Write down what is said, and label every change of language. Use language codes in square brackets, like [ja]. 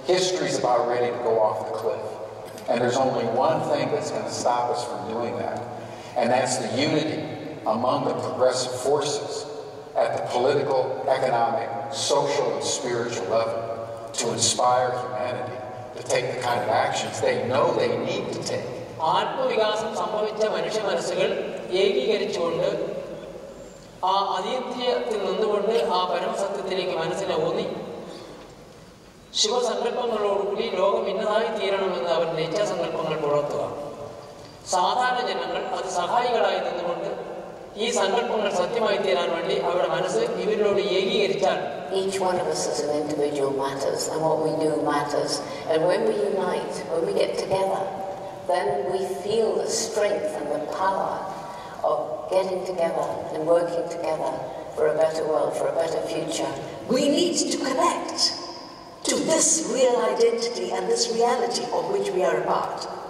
[en] History's about ready to go off the cliff. And there's only one thing that's going to stop us from doing that. And that's the unity among the progressive forces at the political, economic, social, and spiritual level to inspire humanity to take the kind of actions they know they need to take. [ml] ആത്മവികാസം സംഭവിച്ച മനുഷ്യ മനസ്സുകൾ ഏകീകരിച്ചുകൊണ്ട് ആ അതീന്ദ്രിയത്തിൽ നിന്നുകൊണ്ട് ആ പരമസത്യത്തിലേക്ക് മനസ്സിനെ ഊന്നി ശിവസങ്കല്പങ്ങളോടുകൂടി ലോകം ഇന്നതായി തീരണമെന്ന് അവർ നിത്യസങ്കല്പങ്ങൾ പുലർത്തുക. സാധാരണ ജനങ്ങൾ അത് സഹായികളായി നിന്നുകൊണ്ട് ഈ സങ്കല്പങ്ങൾ സത്യമായി തീരാൻ വേണ്ടി അവരുടെ മനസ്സ് ഇവരിലോട് ഏകീകരിച്ചാൽ [en] each one of us as an individual matters, and what we do matters. And when we unite, when we get together, then we feel the strength and the power of getting together and working together for a better world, for a better future. We need to connect to this real identity and this reality of which we are a part.